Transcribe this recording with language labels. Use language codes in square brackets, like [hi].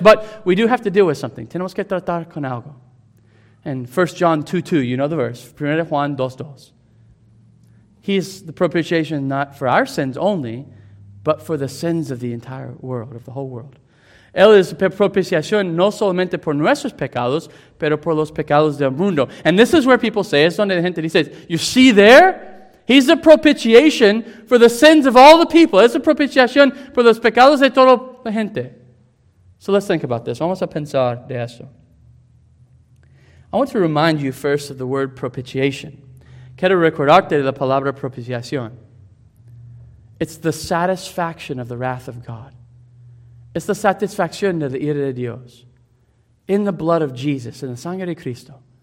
[en] But we do have to deal with something. [es] Tenemos que tratar con algo. [en] And 1 John 2:2, you know the verse. 1 Juan 2:2. He is the propitiation not for our sins only, but for the sins of the entire world, of the whole world. [es] Él es propiciación no solamente por nuestros pecados, pero por los pecados del mundo. [en] And this is where people say, [es] es donde la gente dice, [en] you see there? He's the propitiation for the sins of all the people. [es] Es la propiciación por los pecados de toda la gente. [en] So let's think about this. [es] Vamos a pensar de eso. [en] I want to remind you first of the word propitiation. [es] Quiero recordarte de la palabra propiciación. [en] It's the satisfaction of the wrath of God. It's the satisfaction of the ira de Dios. In the blood of Jesus, in the sangre de Cristo.